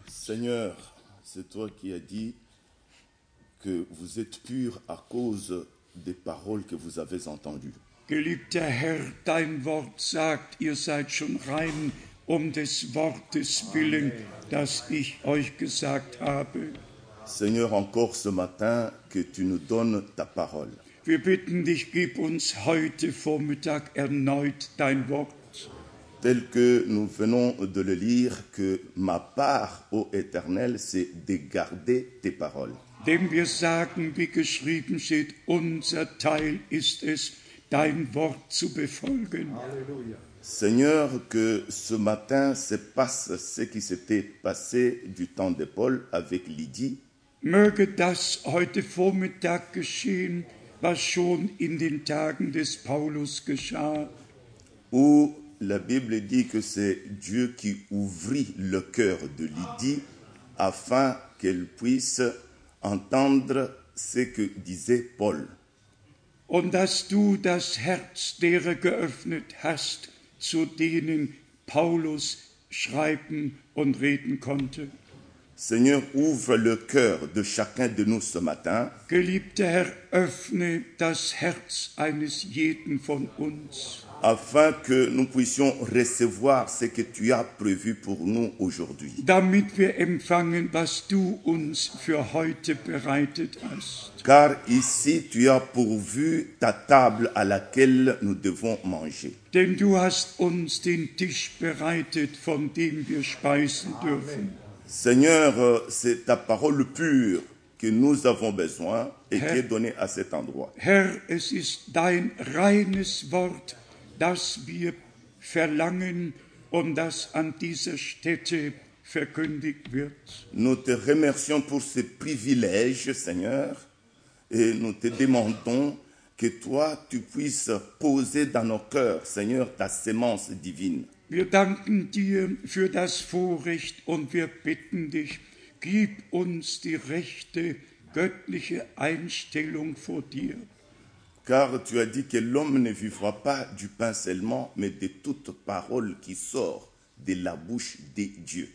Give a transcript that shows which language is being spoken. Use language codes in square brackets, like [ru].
[fr] Seigneur, c'est toi qui as dit que vous êtes pur à cause des paroles que vous avez entendues. [de] Geliebter Herr, dein Wort sagt, ihr seid schon rein um des Wortes willen, das ich euch gesagt habe. [fr] Seigneur, encore ce matin, que tu nous donnes ta parole. [de] Wir bitten dich, gib uns heute Vormittag erneut dein Wort. [fr] Tel que nous venons de le lire, que ma part, ô Éternel, c'est de garder tes paroles. [de] Denn wir sagen, wie geschrieben steht, unser Teil ist es, dein Wort zu befolgen. [fr] Alléluia. Seigneur, que ce matin se passe ce qui s'était passé du temps de Paul avec Lydie. [de] Möge das heute Vormittag geschehen, was schon in den Tagen des Paulus geschah. [fr] Où la Bible dit que c'est Dieu qui ouvrit le cœur de Lydie afin qu'elle puisse entendre ce que disait Paul. [de] Und dass du das Herz derer geöffnet hast, zu denen Paulus schreiben und reden konnte. [fr] Seigneur, ouvre le cœur de chacun de nous ce matin. [de] Geliebter Herr, öffne das Herz eines jeden von uns. [fr] Afin que nous puissions recevoir ce que tu as prévu pour nous aujourd'hui. [de] Damit wir empfangen, was du uns für heute bereitet hast. [fr] Car ici, tu as pourvu ta table à laquelle nous devons manger. [de] Denn du hast uns den Tisch bereitet, von dem wir speisen dürfen. [fr] Amen. Seigneur, c'est ta parole pure que nous avons besoin et qui est donnée à cet endroit. [de] Herr, es ist dein reines Wort, das wir verlangen und das an dieser Stätte verkündigt wird. [fr] Nous te remercions pour ce privilège, Seigneur, et nous te demandons que toi, tu puisses poser dans nos cœurs, Seigneur, ta semence divine. [de] Wir danken dir für das Vorrecht und wir bitten dich, gib uns die rechte göttliche Einstellung vor dir. [fr] Car tu as dit que l'homme ne vivra pas du pain seulement, mais de toute parole qui sort de la bouche de Dieu.